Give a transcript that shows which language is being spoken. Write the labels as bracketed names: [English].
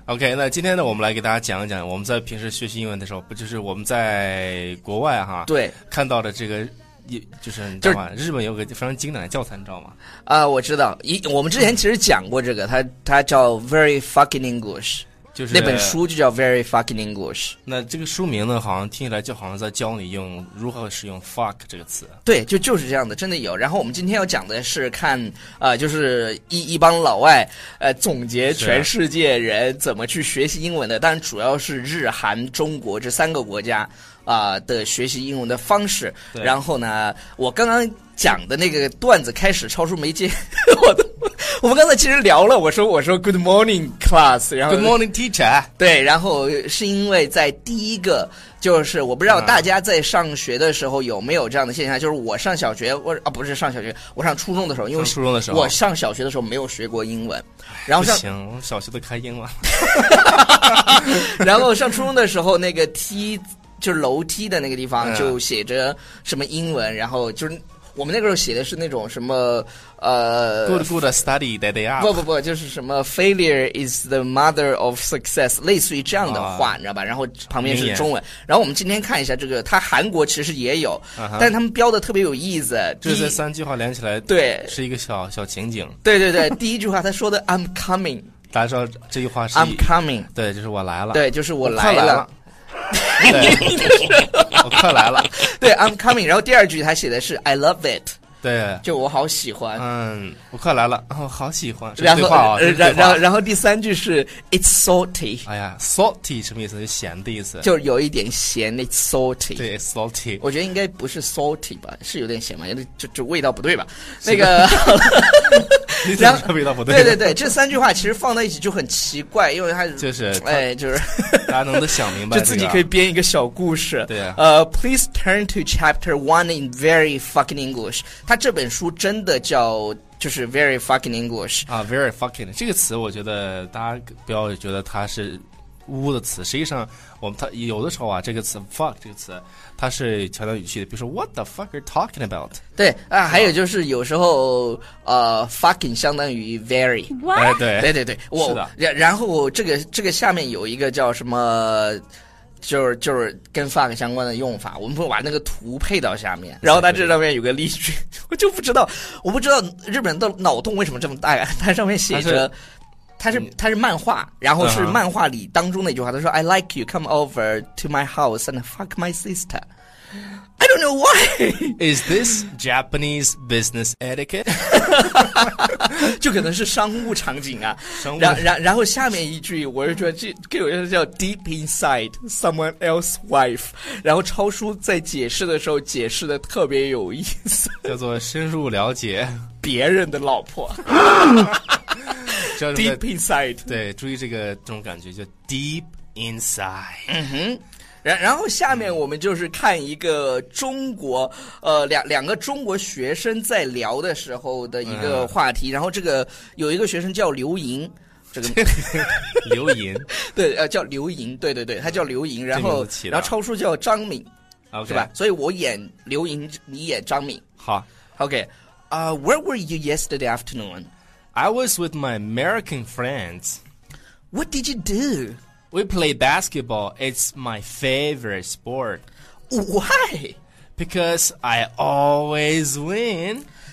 [Chinese] OK, 那今天呢，我们来给大家讲一讲我们在平时学习英文的时候，不就是我们在国外哈？对，看到的这个。就是你知道吗，日本有个非常经典的教材你知道吗，我知道，我们之前其实讲过这个，它叫 Very Fucking English, 就是那本书就叫 Very Fucking English。那这个书名呢好像听起来就好像在教你用如何使用 fuck 这个词。对，就是这样的，真的有。然后我们今天要讲的是看就是一帮老外总结全世界人怎么去学习英文的，但主要是日韩中国这三个国家的学习英文的方式。然后呢，我刚刚讲的那个段子开始超出没接，我们刚才其实聊了，我说 [English] Good morning class, [Chinese] 然后 [English] Good morning teacher, [Chinese] 对，然后是因为在第一个，就是我不知道大家在上学的时候有没有这样的现象，就是我上小学，不是上小学，我上初中的时候，因为上初中的时候，我上小学的时候没有学过英文，然后不行，我小学都开英了，然后上初中的时候那个就是楼梯的那个地方就写着什么英文，然后就是我们那个时候写的是那种什么 [English] Good study that they are, [Chinese] 不就是什么 [English] failure is the mother of success, [Chinese] 类似于这样的话你知道吧，然后旁边是中文。然后我们今天看一下这个，它韩国其实也有，但他们标的特别有意思，就是这三句话连起来，对，是一个小情景。对第一句话他说的 [English] I'm coming, [Chinese] 大家知道这句话是 [English] I'm coming, [Chinese] 对，就是我来了，对，就是我来了，我快来了，对 [English] I'm coming, [Chinese] 然后第二句他写的是 [English] I love it, [Chinese] 对，就我好喜欢，嗯，我快来了，我好喜欢，然后对话、哦、对话。然后第三句是 [English] It's salty, [Chinese] 哎呀 salty 什么意思，就咸的意思，就有一点咸， [English] It's salty, 对 It's salty, [Chinese] 我觉得应该不是 salty 吧，是有点咸吧，就味道不对吧，那个你怎么知道味道不对？对，这三句话其实放在一起就很奇怪，因为它就是大家能都想明白，就自己可以编一个小故事。对啊， [English] Please turn to chapter one in very fucking English. [Chinese] 它这本书真的叫就是 very fucking English 啊 ，very fucking 这个词，我觉得大家不要觉得它是污的词。实际上，它有的时候啊，这个词 fuck 这个词，它是强调语气的，比如说 [English] what the fuck are you talking about? [Chinese] 对啊，还有就是有时候fucking 相当于 very, 哎对，我是的，然后这个下面有一个叫什么，就是跟 fuck 相关的用法，我们会把那个图配到下面，然后它这上面有个例句，我不知道日本人的脑洞为什么这么大呀，它上面写着。它是漫画，然后是漫画里当中的一句话，他说 [English] I like you, come over to my house and fuck my sister. I don't know why. Is this Japanese business etiquette? [Chinese] 就可能是商务场景啊。商务然后下面一句，我就觉得这有些叫 [English] deep inside someone else's wife. [Chinese] 然后超叔在解释的时候解释的特别有意思，叫做深入了解别人的老婆。 [English] Deep inside, [Chinese] 对，注意这种感觉，叫 deep inside。嗯哼，然后下面我们就是看一个中国，两个中国学生在聊的时候的一个话题。然后这个有一个学生叫刘莹，这个刘莹，对，叫刘莹，对，他叫刘莹。然后超叔叫张敏， [English] okay. [Chinese] 是吧？所以我演刘莹，你演张敏。好 [English] ，OK, where were you yesterday afternoon? I was with my American friends. What did you do? We played basketball. It's my favorite sport. Why? Because I always win.